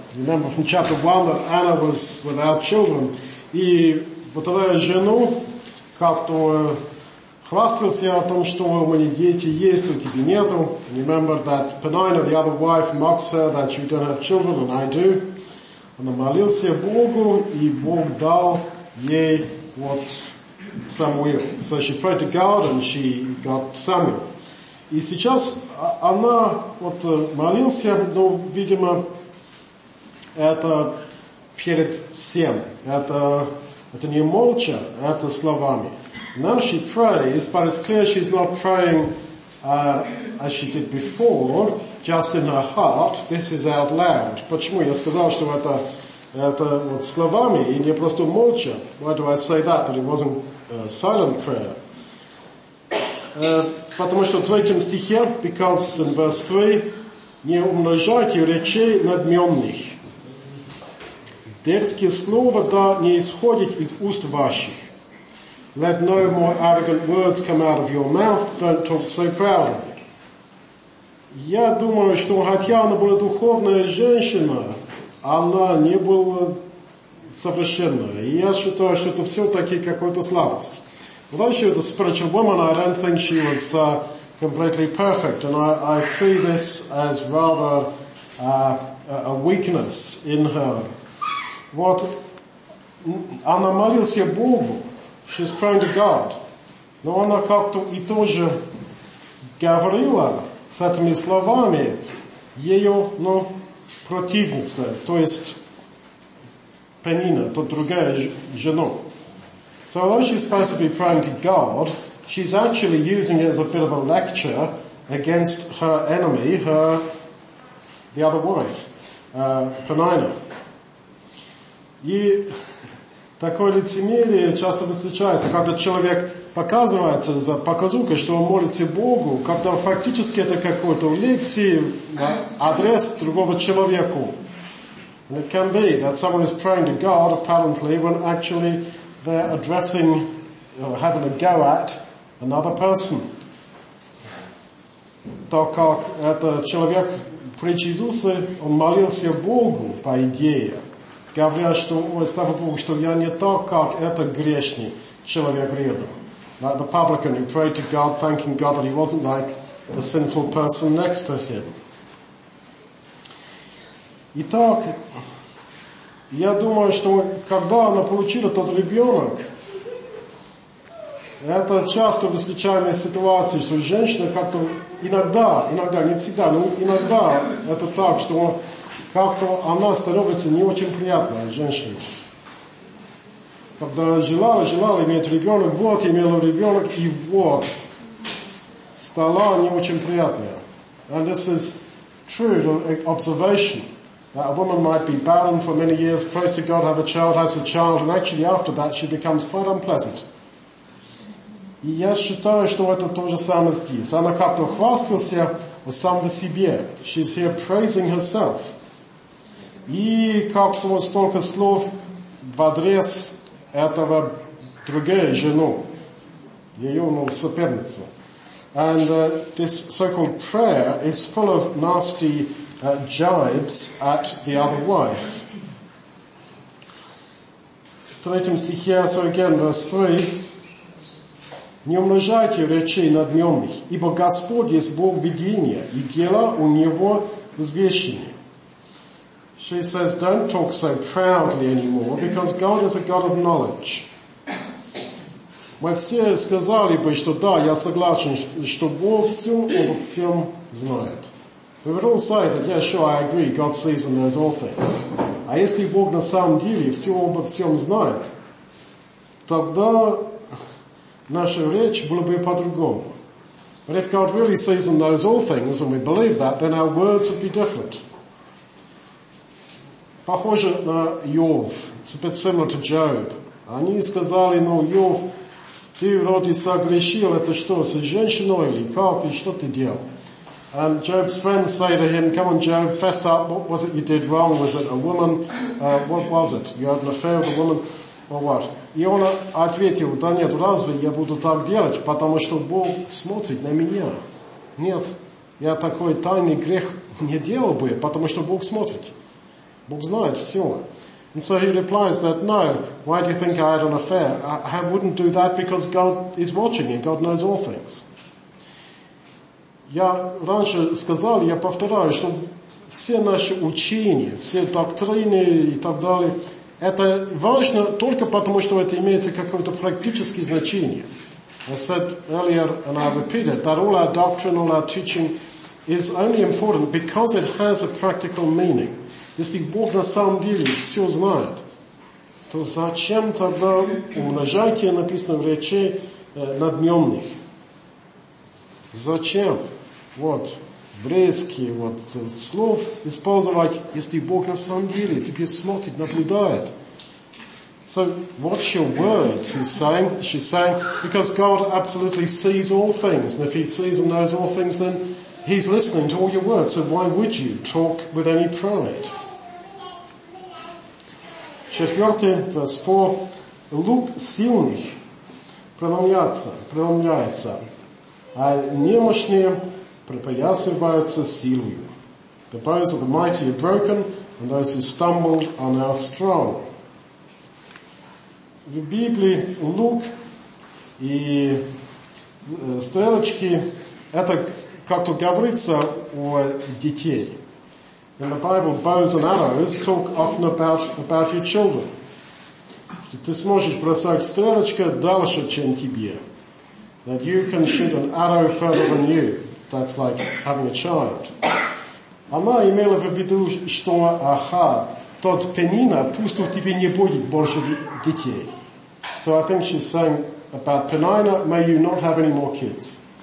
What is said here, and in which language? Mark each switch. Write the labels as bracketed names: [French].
[English] Remember from chapter 1 that Anna was without children. [Russian] И вот эту жену как-то хвастался о том, что у меня дети есть, у тебя нету. [English] Remember that Penina, the other wife, mocks her that you don't have children and I do. [Russian] Она молился Богу, и Бог дал ей вот Самуил. [English] So she prayed to God and she got Samuel. [Russian] И сейчас она вот молился, но, видимо, это перед всем. Это не молча, это словами. [English] Now she prays, but it's clear she's not praying as she did before, just in her heart. This is out loud. [Russian] Почему я сказал, что это вот словами и не просто молча? [English] Why do I say that? That it wasn't silent prayer. [Russian] Потому что в третьем стихе, [English] because in verse 3, [Russian] не умножайте речей надменных. Дерзкие слова да не исходят из уст ваших. [English] Let no more arrogant words come out of your mouth. Don't talk so proudly. [Russian] Я думаю, что хотя она была духовная женщина, она не была совершенная. И я считаю, что это все-таки какой-то слабость. [English] Although she was a spiritual woman, I don't think she was completely perfect. And I see this as rather a weakness in her. What? [Russian] Она молилась Богу. [English] She's praying to God. [Russian] Но она как-то и тоже говорила с этими словами ее, ну, противница, то есть Пенина, то другая жена. [English] So although she's supposed to be praying to God, she's actually using it as a bit of a lecture against her enemy, the other wife, Penina. [Russian] И такое лицемерие часто встречается, когда человек показывается за показухой, что он молится Богу, когда фактически это какой-то лекции, адрес другого человеку. [English] And it can be that someone is praying to God, apparently, when actually they're addressing, or having a go at, another person. [Russian] Так как это человек пред Иисусом, он молился Богу, по идее, говоря, что, ой, слава Богу, что я не так, как это грешный человек рядом. [English] Like the publican who prayed to God, thanking God that he wasn't like the sinful person next to him. [Russian] Итак, я думаю, что когда она получила тот ребенок, это часто встречаемая ситуация, что женщина как-то иногда, не всегда, но иногда это так, что как-то она становится не очень приятной женщиной. Когда желала иметь ребенок, вот имела ребенок, и вот стала не очень приятная. [English] And this is true to observation. That a woman might be barren for many years, prays to God, have a child, has a child, and actually after that she becomes quite unpleasant. [Russian] И я считаю, что это то же самое здесь. Она как-то хвастался о самом себе. [English] She's here praising herself. [Russian] И как-то столько слов в адрес этого другой жены, ее, ну, соперницы. [English] And this so-called prayer is full of nasty jibes at the other wife. [Russian] В третьем стихе, [English] so again, verse 3. [Russian] Не умножайте речей надменных, ибо Господь есть Бог видения, и дела у Него возвещения. [English] She says, don't talk so proudly anymore, because God is a God of knowledge. [Russian] Мы все сказали бы, что да, я согласен, что Бог все, Он всем знает. [English] We would all say that, yeah, sure, I agree, God sees and knows all things. [Russian] А если Бог на самом деле все обо всем знает, тогда наша речь была бы по-другому. [English] But if God really sees and knows all things, and we believe that, then our words would be different. [Russian] Похоже на Йов. [English] It's a bit similar to Job. [Russian] Они сказали, ну, Йов, ты вроде согрешил, это что, с женщиной или как, и что ты делал? [English] And Job's friends say to him, come on Job, fess up, what was it you did wrong? Was it a woman? What was it? You had an affair with a woman? [Russian] И он ответил, да нет, разве я буду так делать, потому что Бог смотрит на меня. Нет, я такой тайный грех не делал бы, потому что Бог смотрит. Бог знает все. [English] And so he replies that, no, why do you think I had an affair? I wouldn't do that because God is watching and God knows all things. [Russian] Я раньше сказал, я повторяю, что все наши учения, все доктрины и так далее, это важно только потому, что это имеется какое-то практическое значение. [English] I said earlier, and I repeat it, that all our doctrine, all our teaching is only important because it has a practical meaning. [Russian] Если Бог на самом деле все знает, то зачем тогда умножайте, написано в речи, надменных? Зачем? Вот, брезки, вот, слов использовать, если Бог на самом деле тебе смотрит, наблюдает. [English] So, watch your words, she's saying, because God absolutely sees all things, and if he sees and knows all things, then he's listening to all your words, so why would you talk with any pride? [Russian] Четвертый, [English] verse 4, [Russian] лук сильных преломляется, а немощные препоясываются силою. [English] The bows of the mighty are broken, and those who stumbled are now strong. [Russian] В Библии лук и стрелочки, это как-то говорится о детей. [English] In the Bible, bows and arrows talk often about your children. [Russian] Ты сможешь бросать стрелочку дальше, чем тебе. [English] That you can shoot an arrow further than you. That's like having a child. [Russian] Она имела в виду, что тот пенина пусть у тебя не будет больше детей. [English] So I think she's saying about penina, may you not have any more kids.